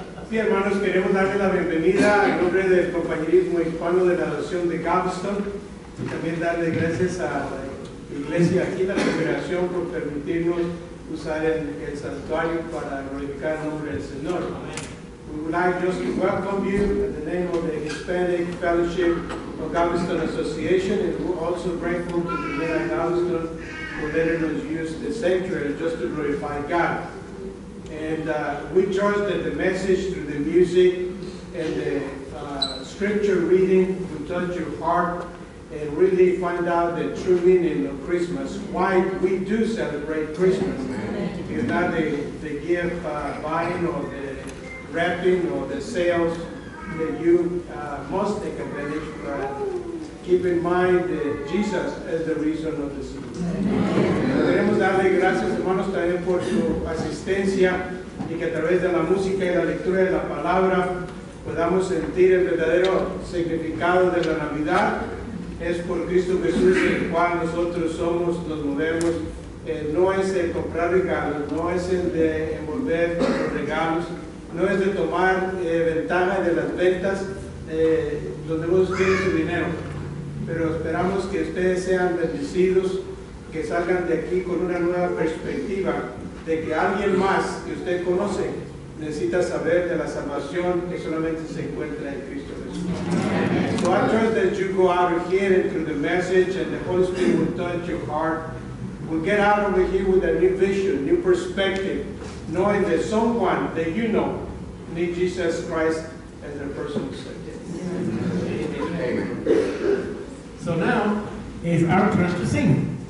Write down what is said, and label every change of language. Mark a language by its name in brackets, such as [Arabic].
[Spanish] Sí, hermanos, queremos darle la bienvenida en nombre del compañerismo hispano de la Nación de Galveston y también darle gracias a la iglesia aquí, la congregación, por permitirnos usar el santuario para glorificar el nombre del Señor. [English] We would like just to welcome you in the name of the Hispanic Fellowship of Galveston Association, and we're also grateful to the Mayor of Galveston for letting us use the sanctuary just to glorify God. And we trust that the message through the music and the scripture reading will touch your heart and really find out the true meaning of Christmas, why we do celebrate Christmas. It's not the gift buying or the wrapping or the sales that you must take advantage of. Keep in mind that Jesus is the reason of the season. [Spanish] Queremos darle gracias, hermanos, también por su asistencia y que a través de la música y la lectura de la palabra podamos sentir el verdadero significado de la Navidad. Es por Cristo Jesús en el cual nosotros somos, nos movemos. No es el comprar regalos, no es el de envolver los regalos, no es de tomar ventaja de las ventas donde vos tienes su dinero. Pero esperamos que ustedes sean bendecidos, que salgan de aquí con una nueva perspectiva de que alguien más que usted conoce necesita saber de la salvación que solamente se encuentra en Cristo Jesús. [English] So I trust that you go out of here through the message and the Holy Spirit will touch your heart. We'll get out of here with a new vision, new perspective, knowing that someone that you know needs Jesus Christ as their personal Savior. Amen. So now it's our turn to sing.